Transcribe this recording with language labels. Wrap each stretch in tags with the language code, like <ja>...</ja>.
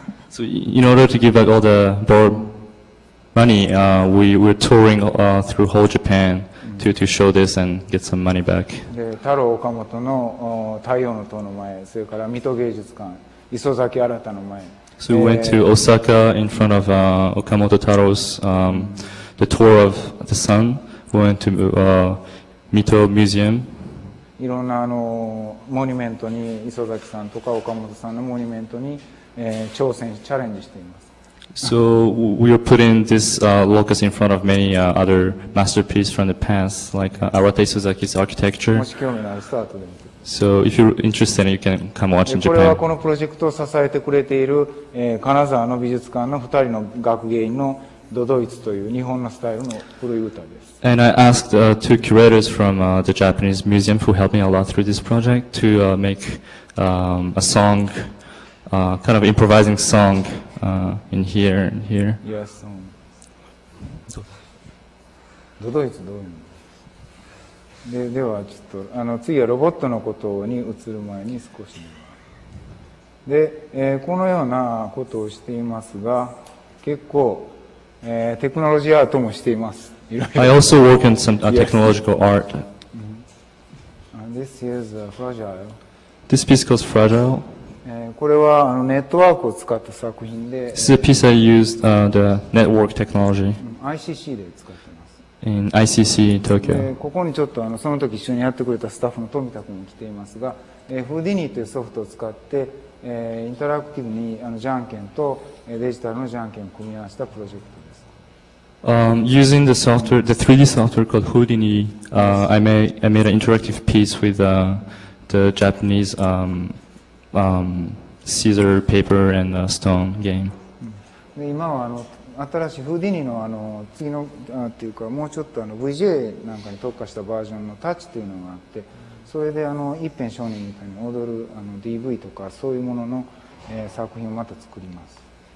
<en>So in order to give back all the borrowed money, we're touring through whole Japan to show this and get some money back.</en> <ja>で、太郎岡本の太陽の塔の前、それから水戸芸術館、磯崎新の前。</ja> <en>So we went to Osaka in front of Okamoto Taro's the tour of the sun. We went to Mito Museum.</en> <ja>いろんなモニュメントに磯崎さんとか岡本さんのモニュメントに、挑戦チャレンジしています。</ja> <en>So we are putting this locus in front of many other masterpieces from the past, like Arata Isozaki's architecture.</en> <ja>もし興味のあるスタートで。</ja> <en>So if you're interested, you can come watch in Japan.</en> <ja>これはこのプロジェクトを支えてくれている、金沢の美術館の2人の学芸員のドドイツという日本のスタイルの古い歌です。</ja> <en>And I asked two curators from the Japanese museum who helped me a lot through this project to make a song, kind of improvising song in here and here. Yes.</en> <ja>ドドイツどういうの？で、ではちょっと次はロボットのことに移る前に少しで、このようなことをしていますが、結構、テクノロジーアートもしています。</ja> <en>I also work in some technological art. And this is fragile. This piece called fragile.</en> <ja>これはネットワークを使った作品で。</ja> <en>This is a piece I used the network technology.</en> <ja>ICC で使っています。</ja> <en>In ICC Tokyo.</en> <ja>ここにちょっとその時一緒にやってくれたスタッフの富田君も来ていますが、フーディニーというソフトを使って、インタラクティブにじゃんけんとデジタルのじゃんけんを組み合わせたプロジェクト。</ja> <en>Using the software, the 3D software called Houdini, I made an interactive piece with the Japanese scissor, paper, and stone game.</en> <ja>で、今は新しい Houdini の次のっていうかもうちょっと VJ なんかに特化したバージョンのタッチっていうのがあって、それで一辺少年みたいに踊る DV とかそういうものの、作品をまた作ります。</ja>